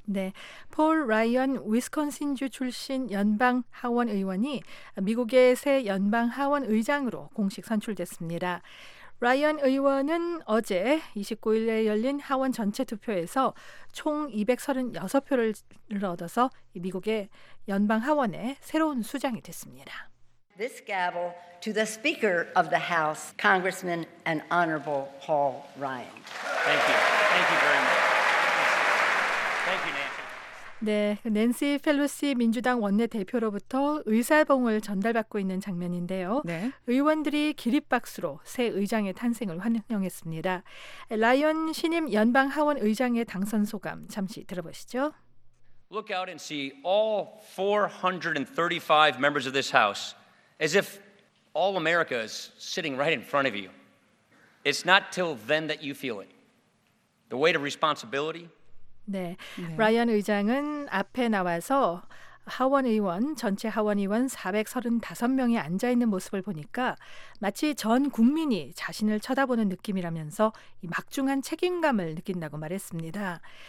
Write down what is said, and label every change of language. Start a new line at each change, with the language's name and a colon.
Korean: 네, 폴 라이언 위스콘신주 출신 연방 하원 의원이 미국의 새 연방 하원 의장으로 공식 선출됐습니다. 라이언 의원은 어제 29일에 열린 하원 전체 투표에서 총 236표를 얻어서 미국의 연방 하원의 새로운 수장이 됐습니다.
English: This gavel to the Speaker of the House, Congressman and Honorable Paul Ryan. Thank you. Thank you very much.
Korean: 네, 낸시 펠로시 민주당 원내대표로부터 의사봉을 전달받고 있는 장면인데요. 네. 의원들이 기립박수로 새 의장의 탄생을 환영했습니다. 라이언 신임 연방 하원 의장의 당선 소감 잠시 들어보시죠.
English: Look out and see all 435 members of this House as if all America is sitting right in front of you. It's not till then that you feel it. The weight of responsibility.
Korean: 네. 네. 라이언 의장은 앞에 나와서 하원의원, 전체 하원의원 435명이 앉아있는 모습을 보니까 마치 전 국민이 자신을 쳐다보는 느낌이라면서 이 막중한 책임감을 느낀다고 말했습니다.